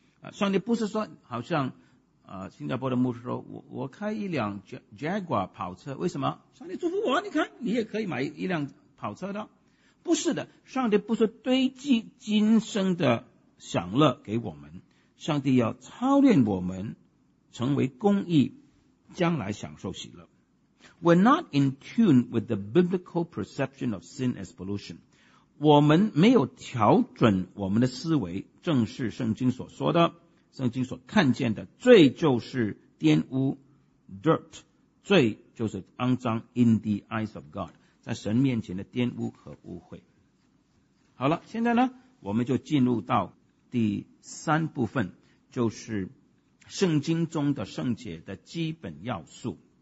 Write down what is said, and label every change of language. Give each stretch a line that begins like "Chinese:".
Chinese: 上帝不是说好像新加坡的牧师说 我开一辆 Jaguar 跑车为什么上帝祝福我你看你也可以买一辆跑车的。不是的上帝不是堆积今生的享乐给我们。上帝要操练我们成为公义将来享受喜乐。
English: We're not in tune with the biblical perception of sin as pollution.
Chinese: 我们没有调准我们的思维正是圣经所说的圣经所看见的罪就是玷污 dirt 罪就是肮脏
English: in the eyes of God
Chinese: 在神面前的玷污和污秽好了现在呢我们就进入到第三部分就是圣经中的圣洁的基本要素